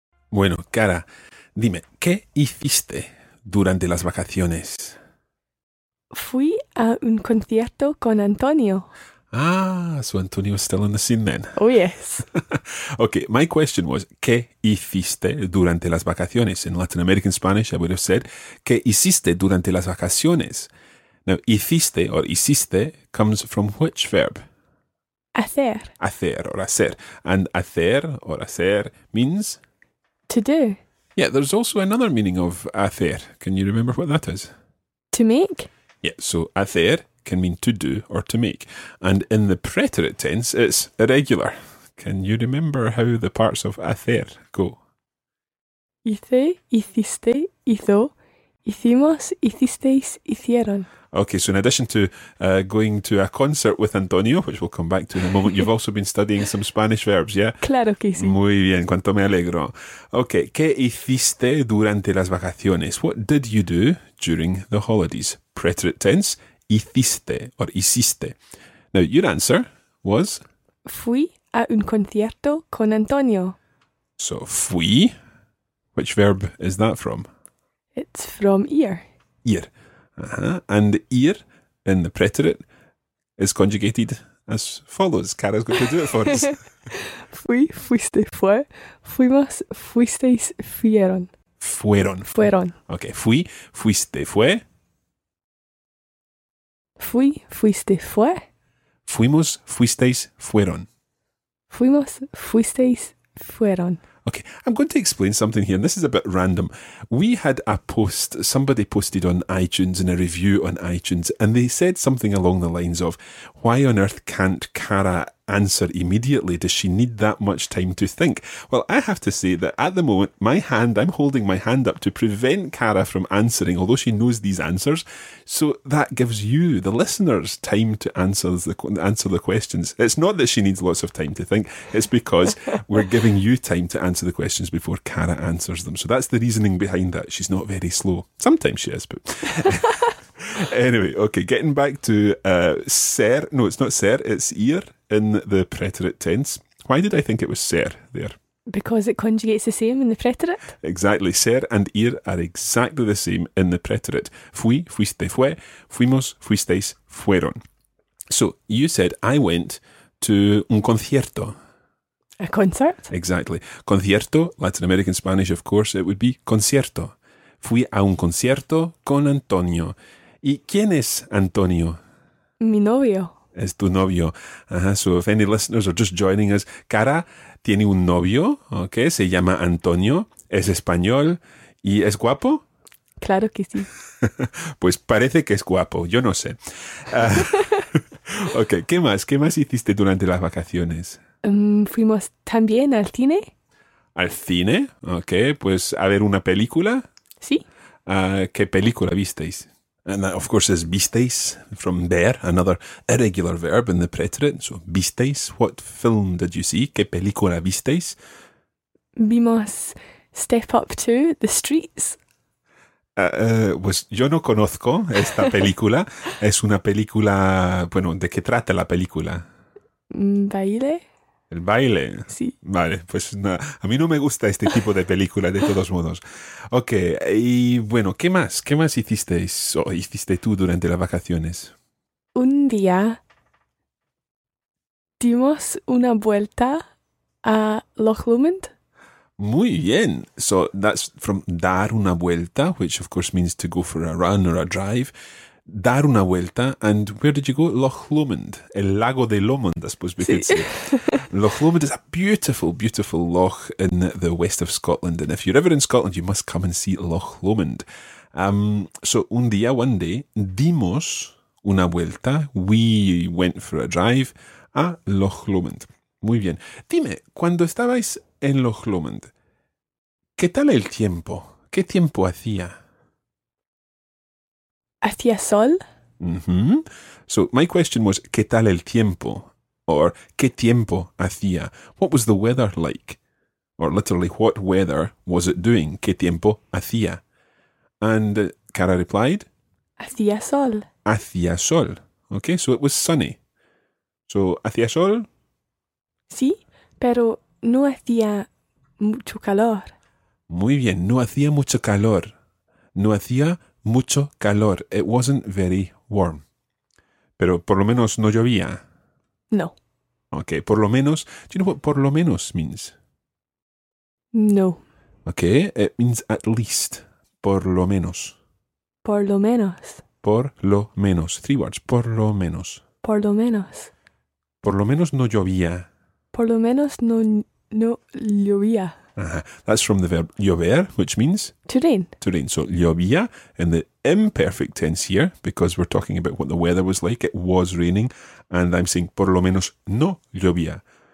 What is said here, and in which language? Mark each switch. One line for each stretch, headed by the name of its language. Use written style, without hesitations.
Spanish: Bueno, cara, dime, ¿qué hiciste durante las vacaciones? Fui a un concierto con Antonio.
English: Ah, so Antonio is still on the scene then. Oh, yes. Okay, my question was,
Spanish: ¿qué hiciste durante las vacaciones?
English: In Latin American Spanish, I would have said,
Spanish: ¿qué hiciste durante las vacaciones?
English: Now, hiciste or hiciste comes from which verb?
Spanish: Hacer. Hacer or hacer.
English: And hacer or hacer means... to do. Yeah, there's also another meaning of hacer. Can you remember what that is? To make. Yeah, so hacer can mean to do or to make. And in the preterite tense, it's irregular. Can you remember how the parts of hacer go?
Spanish: Hice, hiciste, hizo, hicimos, hicisteis, hicieron.
English: Okay, so in addition to going to a concert with Antonio, which we'll come back to in a moment, you've also been studying some Spanish verbs, yeah?
Spanish: Claro que sí. Muy bien, cuánto me alegro. Okay, ¿qué hiciste durante las vacaciones?
English: What did you do during the holidays? Preterite tense, hiciste or hiciste. Now, your answer was?
Spanish: Fui a un concierto con Antonio.
English: So, fui, which verb is that from? It's from ir.
Spanish: Ir. Uh-huh.
English: And ir in the preterite is conjugated as follows. Cara's going to do it for us.
Spanish: Fui, fuiste, fue. Fuimos, fuisteis, fueron. Fueron. Fueron. Okay. Fui, fuiste, fue. Fui, fuiste, fue. Fuimos, fuisteis, fueron. Fuimos, fuisteis, fueron.
English: Okay, I'm going to explain something here, and this is a bit random. We had a post, somebody posted on iTunes in a review on iTunes, and they said something along the lines of, why on earth can't Cara answer immediately? Does she need that much time to think? Well, I have to say that at the moment, my hand, I'm holding my hand up to prevent Cara from answering, although she knows these answers. So that gives you, the listeners, time to answer the questions. It's not that she needs lots of time to think. It's because we're giving you time to answer the questions before Cara answers them. So that's the reasoning behind that. She's not very slow. Sometimes she is, but... Anyway, okay, getting back to ser. No, it's not ser, it's ir in the preterite tense. Why did I think it was ser there? Because it conjugates the same in the preterite. Exactly. Ser and ir are exactly the same in the preterite.
Spanish: Fui, fuiste, fue. Fuimos, fuisteis, fueron.
English: So you said, I went to un concierto. A concert? Exactly. Concierto, Latin American Spanish, of course, it would be concierto.
Spanish: Fui a un concierto con Antonio. ¿Y quién es Antonio? Mi novio. Es tu novio. Uh-huh.
English: So if any listeners are just joining us,
Spanish: Cara tiene un novio, okay, se llama Antonio, es español y ¿es guapo? Claro que sí. Pues parece que es guapo, yo no sé. Ok, ¿qué más? ¿Qué más hiciste durante las vacaciones? Fuimos también al cine. ¿Al cine? Ok, pues a ver una película. Sí. ¿Qué película visteis?
English: And that, of course, is visteis, from ver, another irregular verb in the preterite. So, visteis, what film did you see?
Spanish: ¿Qué película visteis? Vimos Step Up 2, The Streets. Pues yo no conozco esta película. Es una película, bueno, ¿de qué trata la película? Baile. ¿El baile? Sí. Vale, pues nada, a mí no me gusta este tipo de película, de todos modos. Ok, y bueno, ¿qué más? ¿Qué más hicisteis o hiciste tú durante las vacaciones? Un día dimos una vuelta a Loch Lomond. Muy bien.
English: So that's from dar una vuelta, which of course means to go for a run or a drive. Dar una vuelta, and where did you go? Loch Lomond,
Spanish: el lago de Lomond,
English: I suppose we could say. Loch Lomond is a beautiful, beautiful loch in the west of Scotland, and if you're ever in Scotland, you must come and see Loch Lomond. So, un día, one day,
Spanish: dimos una vuelta,
English: we went for a drive,
Spanish: a Loch Lomond. Muy bien. Dime, cuando estabais en Loch Lomond, ¿qué tal el tiempo? ¿Qué tiempo hacía? ¿Hacía sol? Mm-hmm.
English: So, my question was,
Spanish: ¿qué tal el tiempo? Or, ¿qué tiempo hacía?
English: What was the weather like? Or, literally, what weather was it doing?
Spanish: ¿Qué tiempo hacía?
English: And Cara replied,
Spanish: hacía sol. Hacía sol.
English: Okay, so it was sunny. So,
Spanish: ¿hacía sol? Sí, pero no hacía mucho calor. Muy bien, no hacía mucho calor. No hacía mucho calor.
English: It wasn't very warm.
Spanish: Pero por lo menos no llovía. No.
English: Okay, por lo menos. Do you know what por lo menos means? No. Okay, it means at least. Por lo menos.
Spanish: Por lo menos. Por lo menos.
English: Three words.
Spanish: Por lo menos. Por lo menos. Por lo menos no llovía. Por lo menos no llovía. Ajá.
English: That's from the verb llover, which means? To rain. To rain. So, llovía in the imperfect tense here, because we're talking about what the weather was like. It was raining. And I'm saying,
Spanish: por lo menos no llovía.